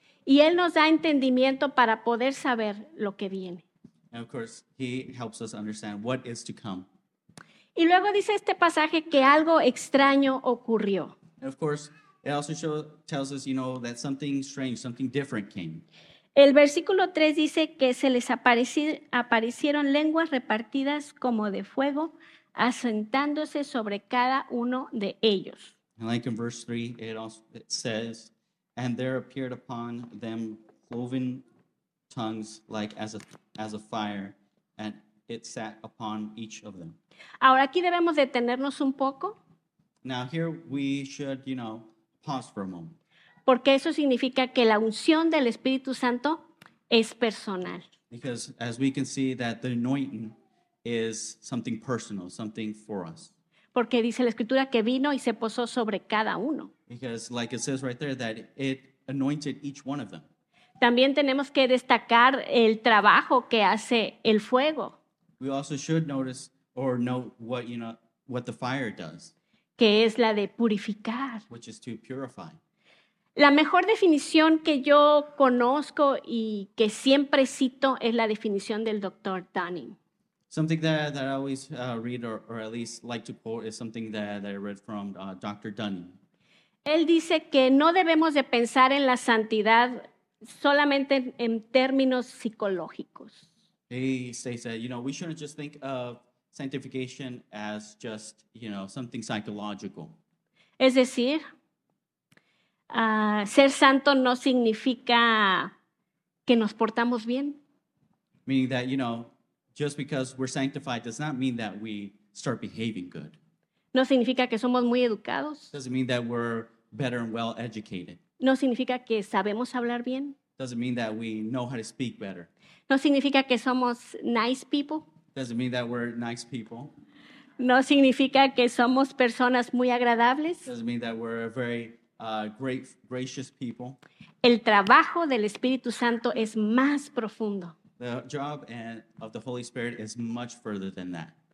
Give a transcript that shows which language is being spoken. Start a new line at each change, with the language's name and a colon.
Spanish: Y Él nos da entendimiento para poder saber lo que viene.
English: And of course, He helps us understand what is to come.
Spanish: Y luego dice este pasaje que algo extraño ocurrió.
English: And of course, it also tells us, you know, that something strange, something different came.
Spanish: El versículo 3 dice que se les aparecieron lenguas repartidas como de fuego, asentándose sobre cada uno de ellos.
English: And like in verse 3, it says, and there appeared upon them cloven tongues like as a fire, and it sat upon each of them.
Spanish: Ahora aquí debemos detenernos un poco.
English: Now here we should, you know, pause for a moment.
Spanish: Porque eso significa que la unción del Espíritu Santo es personal.
English: Because as we can see that the anointing is something personal, something for us.
Spanish: Porque dice la Escritura que vino y se posó sobre cada uno.
English: Because like it says right there that it anointed each one of them.
Spanish: También tenemos que destacar el trabajo que hace el fuego.
English: We also should notice or know what, you know, what the fire does.
Spanish: Que es la de purificar.
English: Which is to purify.
Spanish: La mejor definición que yo conozco y que siempre cito es la definición del Dr. Dunning.
English: Something that I always read or at least like to quote is something that I read from Dr. Dunning.
Spanish: Él dice que no debemos de pensar en la santidad solamente en términos psicológicos.
English: He says that, you know, we shouldn't just think of sanctification as just, you know, something psychological.
Spanish: Es decir, ser santo no significa que nos portamos bien.
English: Meaning that, you know, just because we're sanctified does not mean that we start behaving good.
Spanish: No significa que somos muy educados.
English: Doesn't mean that we're better and well educated.
Spanish: No significa que sabemos hablar bien.
English: Doesn't mean that we know how to speak better.
Spanish: No significa que somos
English: nice people. Doesn't mean that we're nice people.
Spanish: No significa que somos personas muy agradables.
English: Doesn't mean that we're very great, gracious people.
Spanish: El trabajo del Espíritu Santo es más profundo.
English: The job of the Holy Spirit is much further than that.